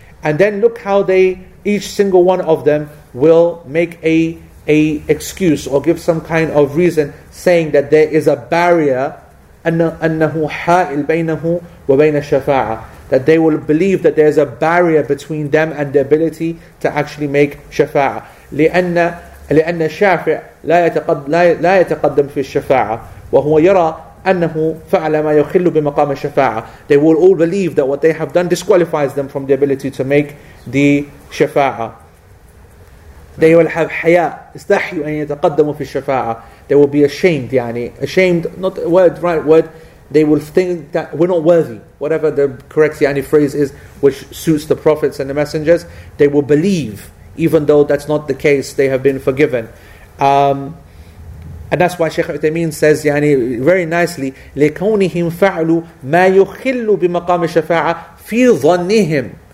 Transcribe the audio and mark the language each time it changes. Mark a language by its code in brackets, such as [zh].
[en] And then look how they, each single one of them, will make a excuse or give some kind of reason, saying that there is a barrier, [ar] أَنَّهُ حَائِلْ بَيْنَهُ وَبَيْنَ الشَّفَاعَةِ, [en] that they will believe that there's a barrier between them and the ability to actually make shafa'a. [ar] لِأَنَّ الشَّافِعَ لَا يَتَقَدَّمْ فِي الشَّفَاعَةِ وَهُوَ يَرَى أَنَّهُ فَعْلَ مَا يُخِلُّ بِمَقَامِ الشَّفَاعَةِ. [en] They will all believe that what they have done disqualifies them from the ability to make the shafa'a. They will have haya, [ar] استحيوا أن يتقدموا في الشفاعة. [en] They will be ashamed, ashamed, not the word, right word. They will think that we're not worthy, whatever the correct phrase is, which suits the prophets and the messengers. They will believe, even though that's not the case, they have been forgiven. And that's why Shaykh Uthaymeen says, very nicely, [ar] لِكَوْنِهِمْ فَعْلُوا مَا يُخِلُّ بِمَقَامِ الشَّفَاعَةِ فِي ظَنِّهِمْ.